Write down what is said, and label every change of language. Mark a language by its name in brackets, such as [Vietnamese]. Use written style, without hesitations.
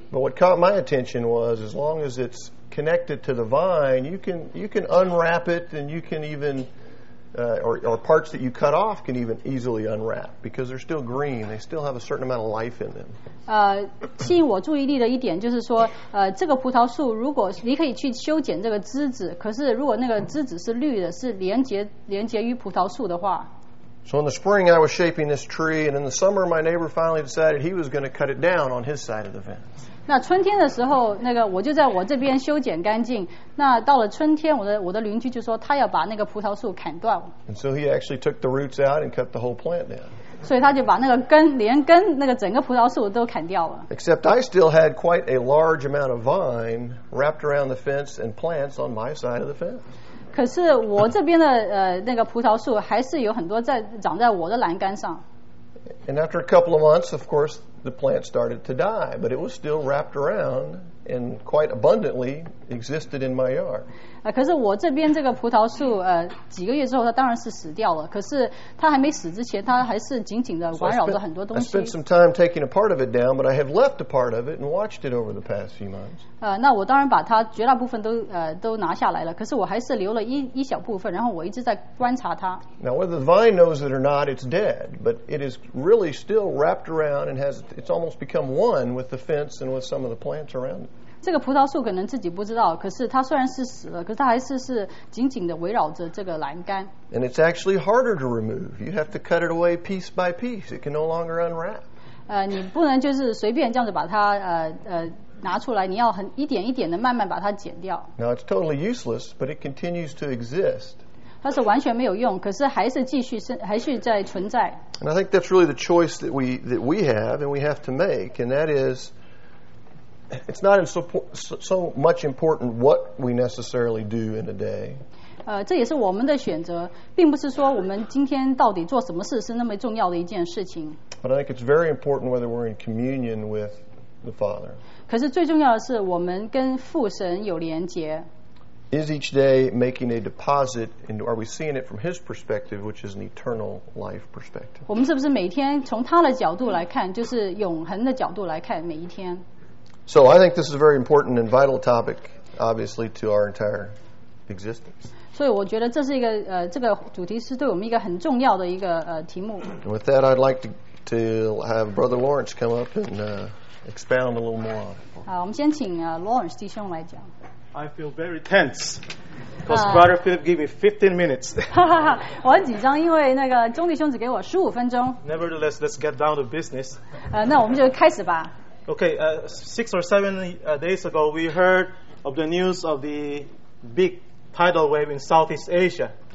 [English] But what caught my attention was as long as it's connected to the vine, you can unwrap it and you can even or parts that you cut off can even easily unwrap because they're still green. They still have a certain amount of life in them. [Chinese] 吸引我注意力的一点就是说，这个葡萄树如果你可以去修剪这个枝子，可是如果那个枝子是绿的，是连接于葡萄树的话。 [English] So in the spring I was shaping this tree, and in the summer my neighbor finally decided he was going to cut it down on his side of the fence. [Chinese] 那春天的时候，那个我就在我这边修剪干净。那到了春天，我的邻居就说他要把那个葡萄树砍断。 [English] And so he actually took the roots out and cut the whole plant down. [Chinese] 所以他就把那个根，连根，那个整个葡萄树都砍掉了。 [English] Except I still had quite a large amount of vine wrapped around the fence and plants on my side of the fence. [Chinese] 可是我这边的那个葡萄树还是有很多在长在我的栏杆上。 [English] And after a couple of months, of course, the plant started to die, but it was still wrapped around and quite abundantly existed in my yard. [Chinese] 可是我这边这个葡萄树几个月之后它当然是死掉了，可是它还没死之前它还是紧紧的环绕着很多东西。 [English] So I spent some time taking a part of it down, but I have left a part of it and watched it over the past few months. [Chinese] 那我当然把它绝大部分都拿下来了，可是我还是留了一小部分，然后我一直在观察它。 [English] Now whether the vine knows it or not, it's dead, but it is really still wrapped around and it's almost become one with the fence and with some of the plants around it. [Chinese] 这个葡萄树可能自己不知道，可是它虽然是死了，可是它还是紧紧的围绕着这个栏杆。 [English] And it's actually harder to remove. You have to cut it away piece by piece. It can no longer unwrap. [Chinese] 你不能就是随便这样子把它拿出来，你要很一点一点的慢慢把它剪掉。 [English] Now it's totally useless, but it continues to exist. [Chinese] 它是完全没有用，可是还是继续还是在存在。 [English] And I think that's really the choice that we have and we have to make, and that is, it's not so much important what we necessarily do in a day. [Chinese] 这也是我们的选择，并不是说我们今天到底做什么事是那么重要的一件事情。 [English] But I think it's very important whether we're in communion with the Father. [Chinese] 可是最重要的是我们跟父神有连结。 [English] Is each day making a deposit, and are we seeing it from his perspective, which is an eternal life perspective? [Chinese] 我们是不是每天从他的角度来看，就是永恒的角度来看每一天？ [English] So I think this is a very important and vital topic, obviously, to our entire existence. [Chinese] 所以我觉得这是一个这个主题是对我们一个很重要的一个题目。 [English] And with that, I'd like to have Brother Lawrence come up and expound a little more on it. [Chinese] 好，我们先请Lawrence 弟兄来讲。 [English] I feel very tense because Brother Philip gave me 15 minutes. [Chinese] 我很紧张，因为那个钟弟兄只给我十五分钟。 [English] Nevertheless, let's get down to business. [Chinese] 那我们就开始吧。 [English] Okay, six or seven days ago, we heard of the news of the big tidal wave in Southeast Asia.